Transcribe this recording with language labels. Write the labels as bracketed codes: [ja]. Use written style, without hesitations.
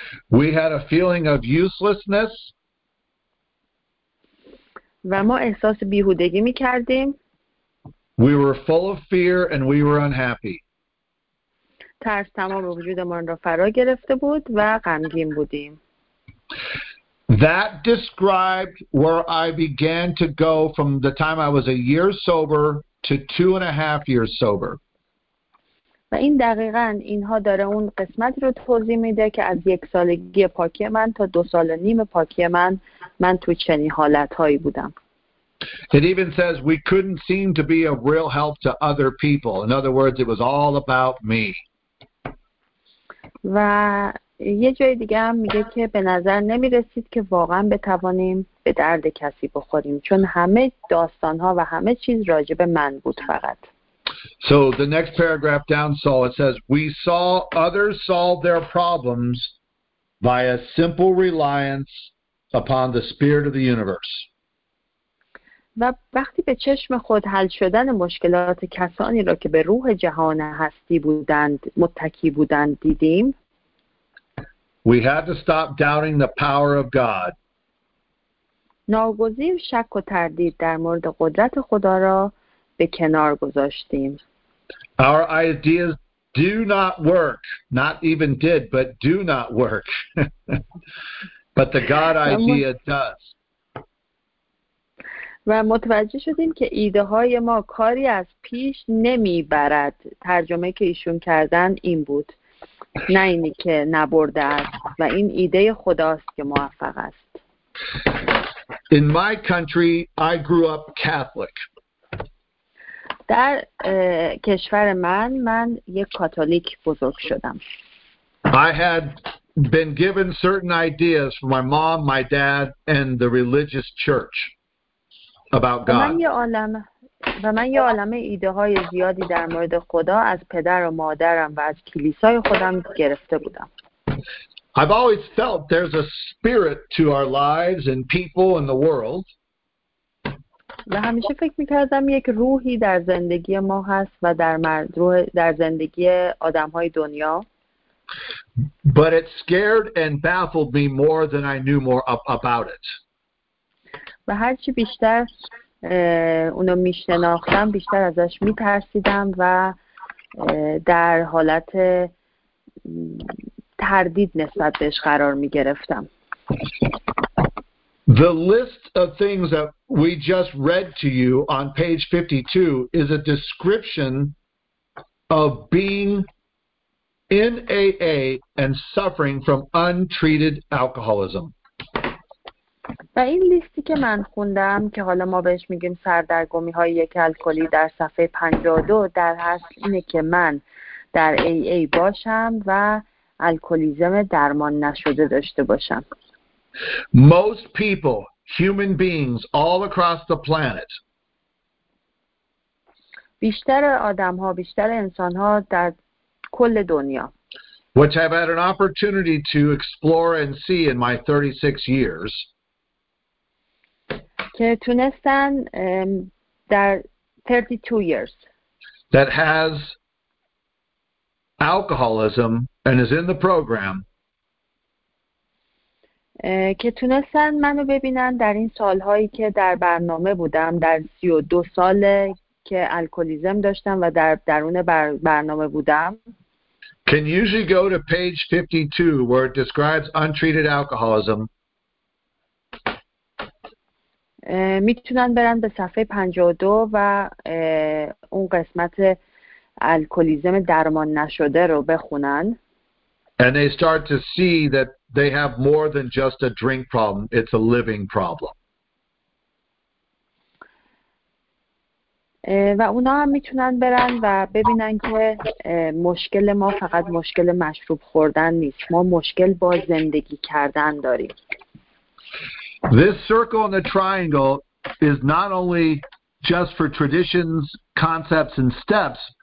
[en] We had a feeling of uselessness. [fa] و ما احساس بیهودگی می کردیم. [en] We were full of fear and we were unhappy. [fa] ترس تمام وجود ما را فرا گرفته بود و غمگین بودیم. [en] That described where I began to go from the time I was a year sober to 2.5 years sober. [fa] و این دقیقاً اینها داره اون قسمت رو توضیح میده که از یک سالگی پاکی من تا 2.5 سال پاکی من تو چنین حالتهایی بودم. [en] It even says we couldn't seem to be of real help to other people. In other words, it was all about me. [fa] و یه جای دیگه هم میگه که به نظر نمی رسید که واقعا بتوانیم به درد کسی بخوریم، چون همه داستانها و همه چیز راجب من بود فقط. [en] So the next paragraph down, Saul, it says we saw others solve their problems by a simple reliance upon the spirit of the universe. [fa] و وقتی به چشم خود حل شدن مشکلات کسانی را که به روح جهان هستی بودند متکی بودند دیدیم. [en] We had to stop doubting the power of God. [fa] ناگزیر شک و تردید در مورد قدرت خدا را به کنار گذاشتیم. [en] Our ideas do not work, not even did, but do not work. But the God idea does. [fa] و متوجه شدیم که ایده های ما کاری از پیش نمی برد. ترجمه که ایشون کردن این بود، نه اینی که نبرده است، و این ایده خداست که موفق است. [en] In my country, I grew up Catholic. [fa] در کشور من یک کاتولیک بزرگ شدم. [en] I had been given certain ideas from my mom, my dad, and the religious church. About God. [fa] و من یه عالمه ایده های زیادی در مورد خدا از پدر و مادرم و از کلیسای خودم گرفته بودم. [en] I've always felt there's a spirit to our lives and people and the world. [fa] و همیشه فکر می‌کردم یک روحی در زندگی ما هست و در روح در زندگی آدم‌های دنیا. [en] But it scared and baffled me more than I knew more about it. [fa] و هر چی بیشتر اونو می‌شناختم بیشتر ازش می‌ترسیدم و در حالت تردید نسبت بهش قرار می‌گرفتم. [en] The list of things that we just read to you on page 52 is a description of being in AA and suffering from untreated alcoholism. [fa] و این لیستی که من خوندم که حالا ما بهش میگیم سردرگمی های یک الکلی در صفحه 52 در اصل اینه که من در AA باشم و الکلیزم درمان نشده داشته باشم. [en] Most people, human beings, all across the planet. [fa] بیشتر آدم‌ها، بیشتر انسان‌ها در کل دنیا. [en] Which I've had an opportunity to explore and see in my 36 years. [fa] که تونستن در [en] 32 years. That has alcoholism and is in the program. [fa] که تونستن منو ببینن در این سالهایی که در برنامه بودم، در 32 سال که الکلیزم داشتم و در درون برنامه بودم. [en] Can you usually go to page 52 where it describes untreated alcoholism? [fa] میتونن برن به صفحه 52 و اون قسمت الکلیزم درمان نشده رو بخونن. [en] And they start to see that they have more than just a drink problem. It's a living problem. [fa] و اونا هم میتونن برن و ببینن که مشکل ما فقط مشکل مشروب خوردن نیست. ما مشکل با زندگی کردن داریم. [en] This circle and the triangle is not only just for traditions, concepts, and steps.